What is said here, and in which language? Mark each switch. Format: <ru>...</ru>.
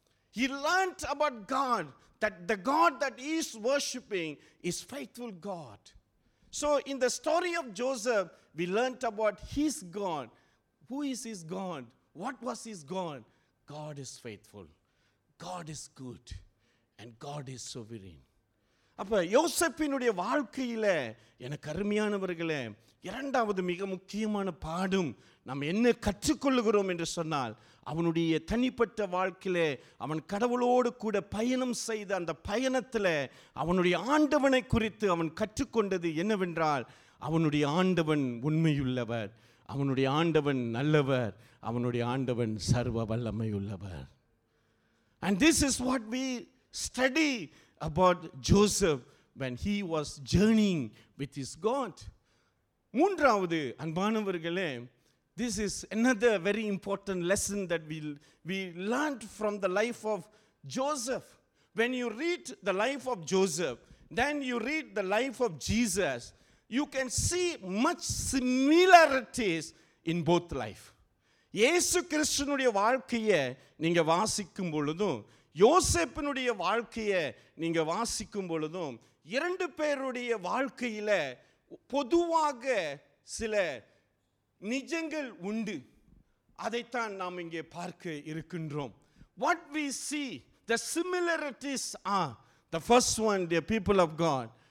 <en>He learned about God, that the God that he is worshiping is faithful God. So in the story of Joseph, we learned about his God. Who is his God? What was his God? God is faithful. God is good. And God is sovereign.</en> <ta>அப்போ யோசேப்பினுடைய வாழ்க்கையில் எனக்கு அருமையானவர்களே, இரண்டாவது மிக முக்கியமான பாடம் நாம் என்ன கற்றுக்கொள்கிறோம் என்று சொன்னால், அவனுடைய தனிப்பட்ட வாழ்க்கையில் அவன் கடவுளோடு கூட பயணம் செய்த அந்த பயணத்தில் அவனுடைய ஆண்டவனை குறித்து அவன் கற்றுக்கொண்டது என்னவென்றால், அவனுடைய ஆண்டவன் உண்மையுள்ளவர், அவனுடைய ஆண்டவன் நல்லவர், அவனுடைய ஆண்டவன் சர்வ வல்லமை உள்ளவர்.</ta> <en>And this is what we study about Joseph when he was journeying with his God.</en> <ta>மூன்றாவது அன்பானவர்களே,</ta> <en>this is another very important lesson that we learned from the life of Joseph. When you read the life of Joseph, then you read the life of Jesus, you can see much similarities in both life.</en> <ta>இயேசு கிறிஸ்துனுடைய வாழ்க்கையை நீங்கள் வாசிக்கும் பொழுதும், யோசேப்பினுடைய வாழ்க்கையை நீங்கள் வாசிக்கும் பொழுதும், இரண்டு பேருடைய வாழ்க்கையில் பொதுவாக சில நிஜங்கள் உண்டு. அதைத்தான் நாம் இங்கே பார்க்க இருக்கின்றோம்.</ta> <en>What we see, the similarities are, the first one, the people of God.</en>